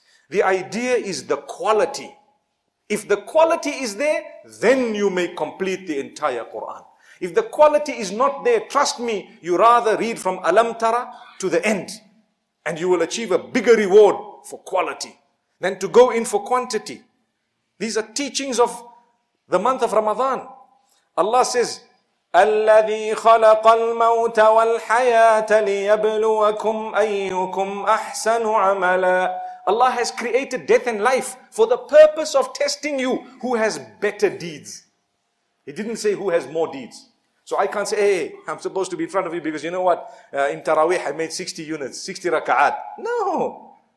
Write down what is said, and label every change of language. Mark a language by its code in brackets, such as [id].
[en] The idea is the quality. If the quality is there, then you may complete the entire Quran. If the quality is not there, trust me, you rather read from Alam Tara to the end. And you will achieve a bigger reward for quality than to go in for quantity. These are teachings of the month of Ramadan. [ar] Allah says, الَّذِي خَلَقَ الْمَوْتَ وَالْحَيَاةَ لِيَبْلُوَكُمْ أَيُّكُمْ أَحْسَنُ عَمَلًا. [en] Allah has created death and life for the purpose of testing you who has better deeds. He didn't say who has more deeds. So I can't say, hey, I'm supposed to be in front of you because you know what? In Taraweeh, I made 60 units, 60 raka'at. No.